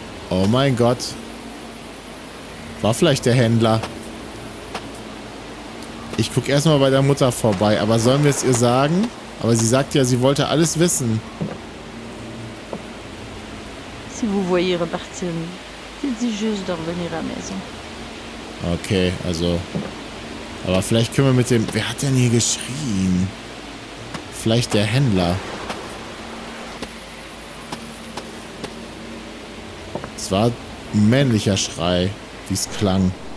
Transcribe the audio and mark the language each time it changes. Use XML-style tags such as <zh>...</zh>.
<de>Oh mein Gott. War vielleicht der Händler. Ich gucke erstmal bei der Mutter vorbei. Aber sollen wir es ihr sagen? Aber sie sagt ja, sie wollte alles wissen.</de> <fr>Si vous voyez repartir, dites-lui juste de revenir à la maison.</fr> <de>Okay, also. Aber vielleicht können wir mit dem... Wer hat denn hier geschrien? Vielleicht der Händler. Es war ein männlicher Schrei, wie es klang.</de>